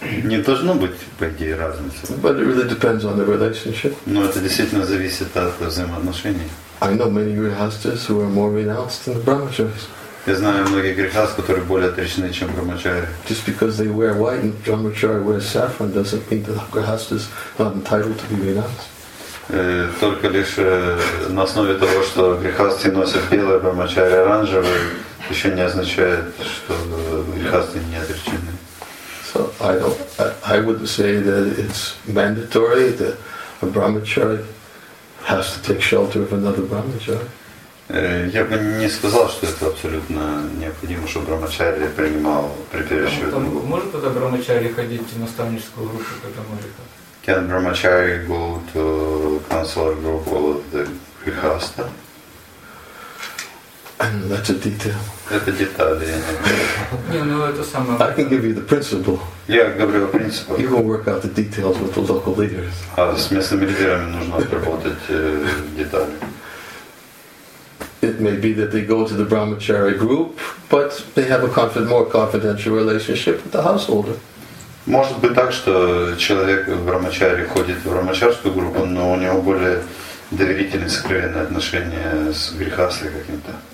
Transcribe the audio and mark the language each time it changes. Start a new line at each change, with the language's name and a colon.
Russian: Не должно быть, по идее, разницы.
English: But it really depends on the relationship.
Russian: Но это действительно зависит от взаимоотношений.
English: I know many grihasthas who are more renounced than the brahmacharis.
Russian: Я знаю многих грихас, которые более отречены, чем брахмачари.
English: Just because they wear white and brahmachari wears saffron doesn't mean that grihasthas are not entitled to be renounced.
Russian: Только лишь на основе того, что грихасты носят белое, брахмачари оранжевое, еще не означает, что грехасты не отречены.
English: So I would say that it's mandatory that a brahmachari has to take shelter of another brahmachari.
Russian: Я бы не сказал, что это абсолютно необходимо, чтобы брахмачари принимал прибежище. Может тогда брахмачари ходить в наставническую группу к этому
English: греха? Can brahmachari go to counselor group of the grihastha? And that's a detail.
Russian: Это детали. Не, ну это самое.
English: I can give you the principle.
Russian: Я говорю о принципах.
English: You can work out the details with the local leaders.
Russian: А с местными лидерами нужно отработать детали.
English: it may be that they go to the brahmachari group, but they have a more confidential relationship with the householder.
Russian: Может быть так, что человек в брамачаре ходит в брамачарскую группу, но у него более доверительные, сокровенные отношения с грехасой каким-то.